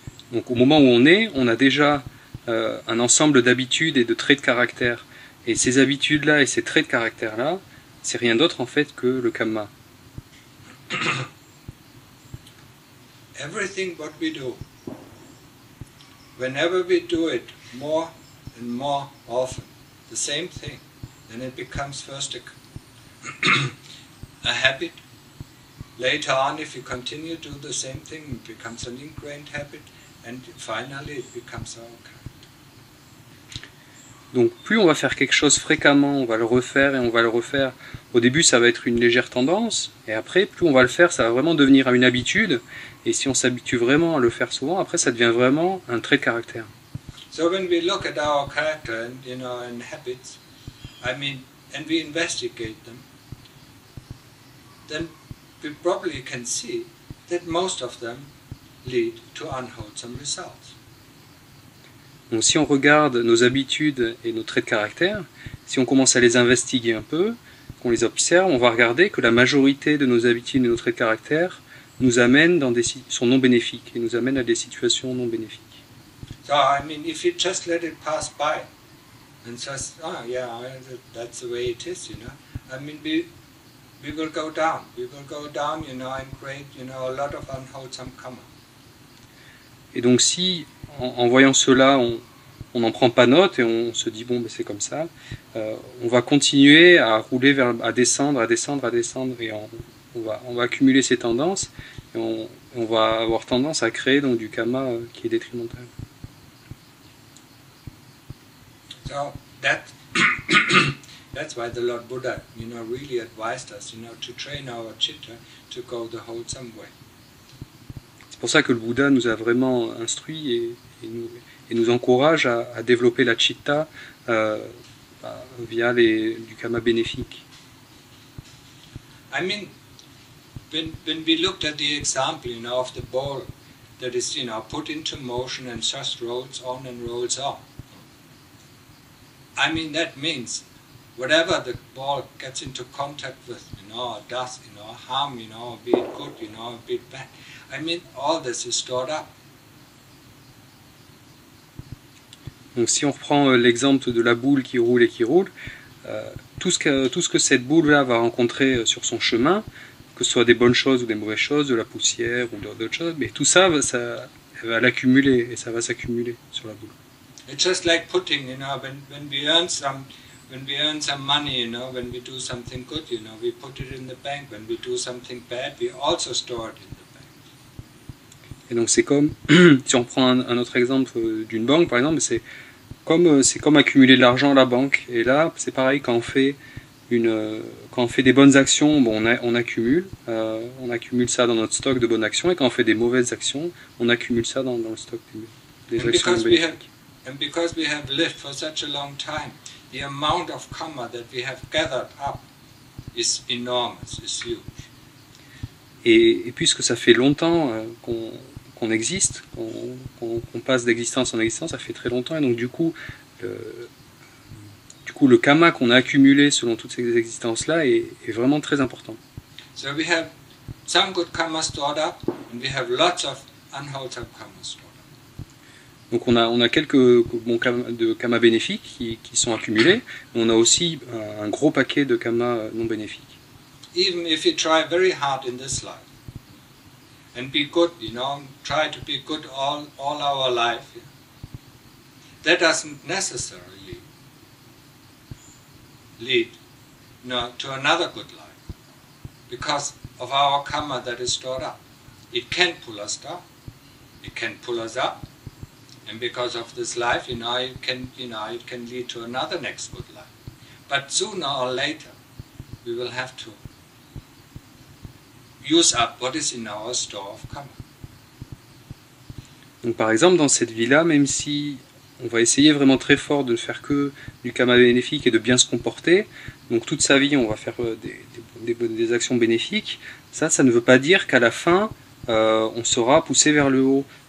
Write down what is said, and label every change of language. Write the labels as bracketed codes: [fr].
[fr] Donc, au moment où on est, on a déjà un ensemble d'habitudes et de traits de caractère. Et ces habitudes-là et ces traits de caractère-là, c'est rien d'autre en fait que le kamma. [en] Everything what we do, whenever we do it more and more often, the same thing, then it becomes first a habit. Later on, if you continue to do the same thing, it becomes an ingrained habit, and finally it becomes our character. [fr] Donc plus on va faire quelque chose fréquemment, on va le refaire et on va le refaire, au début ça va être une légère tendance, et après plus on va le faire, ça va vraiment devenir une habitude, et si on s'habitue vraiment à le faire souvent, après ça devient vraiment un trait de caractère. [en] So when we look at our character and, you know, and habits, I mean, and we investigate them, then we probably can see that most of them lead to unwholesome results. [fr] Donc si on regarde nos habitudes et nos traits de caractère, si on commence à les investiguer un peu, qu'on les observe, on va regarder que la majorité de nos habitudes et nos traits de caractère nous amènent dans des sont non bénéfiques et nous amènent à des situations non bénéfiques. [en] So I mean, if you just let it pass by, and just that's the way it is, you know. I mean, we will go down. We will go down, you know, and create, you know, a lot of unwholesome karma. [fr] Et donc, si en voyant cela, on, on n'en prend pas note et on se dit bon, ben, c'est comme ça. On va continuer à rouler, à descendre, et on va accumuler ces tendances et on va avoir tendance à créer donc du kamma qui est détrimental. [en] So that that's why the Lord Buddha, you know, really advised us, you know, to train our citta to go the wholesome way. [fr] C'est pour ça que le Bouddha nous a vraiment instruit et nous encourage à développer la citta via du kamma bénéfique. [en] I mean, when we looked at the example, you know, of the ball that is, you know, put into motion and just rolls on and rolls off. I mean, that means whatever the ball gets into contact with, you know, does, you know, harm, you know, be it good, you know, be it bad. I mean, all this is stored up. [fr] Donc, si on reprend l'exemple de la boule qui roule et qui roule, tout ce que cette boule-là va rencontrer sur son chemin, que ce soit des bonnes choses ou des mauvaises choses, de la poussière ou d'autres choses, mais tout ça, elle va l'accumuler et ça va s'accumuler sur la boule. [en] It's just like putting, you know, when we earn some money, you know, when we do something good, you know, we put it in the bank. When we do something bad, we also store it in the bank. [fr] Et donc c'est comme si on prend un autre exemple d'une banque, par exemple, c'est comme accumuler de l'argent à la banque. Et là, c'est pareil quand on fait des bonnes actions, bon, on accumule ça dans notre stock de bonnes actions. Et quand on fait des mauvaises actions, on accumule ça dans le stock des actions bénéfiques. [en] And because we have lived for such a long time, the amount of kamma that we have gathered up is enormous, is huge. [fr] Et puisque ça fait longtemps qu'on existe, qu'on passe d'existence en existence, ça fait très longtemps, et donc du coup le kamma qu'on a accumulé selon toutes ces existences-là est vraiment très important. [en] So we have some good kamma stored up, and we have lots of unwholesome kamma stored up. [fr] Donc on a quelques bons de kamma bénéfiques qui sont accumulés, mais on a aussi un gros paquet de kamma non bénéfiques. [en] Even if you try very hard in this life and be good, you know, try to be good all our life, that doesn't necessarily lead, you know, to another good life, because of our kamma that is stored up. It can pull us down. It can pull us up. And because of this life, you know, it can lead to another next good life. But sooner or later, we will have to use up what is in our store of karma. [fr] Donc, par exemple, dans cette vie-là, même si on va essayer vraiment très fort de faire que du karma bénéfique et de bien se comporter, donc toute sa vie, on va faire des actions bénéfiques. Ça ne veut pas dire qu'à la fin, on sera poussé vers le haut.